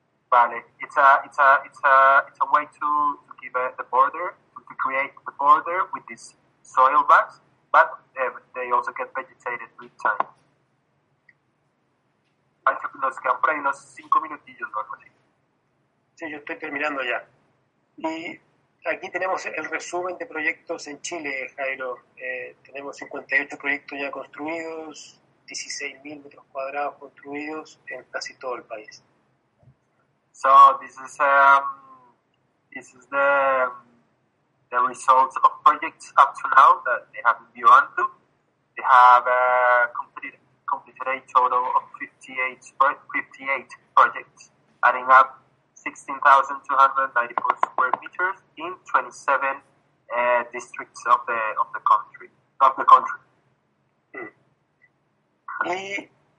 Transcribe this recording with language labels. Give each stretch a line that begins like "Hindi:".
English: Vale, it's a way to give the border, to create the border with these soil bags, but they also get vegetated with time.
Spanish: Nos quedan por ahí unos 5 minutillos o algo así. Sí, yo estoy terminando ya. Aquí tenemos el resumen de proyectos en Chile, Jairo. Tenemos 58 proyectos ya construidos, 16.000 metros cuadrados construidos en casi todo el país.
English: So this is the results of projects up to now that they have in Ubuntu. They have completed a total of 58 projects, adding up 16,294 square meters in 27 districts of the country.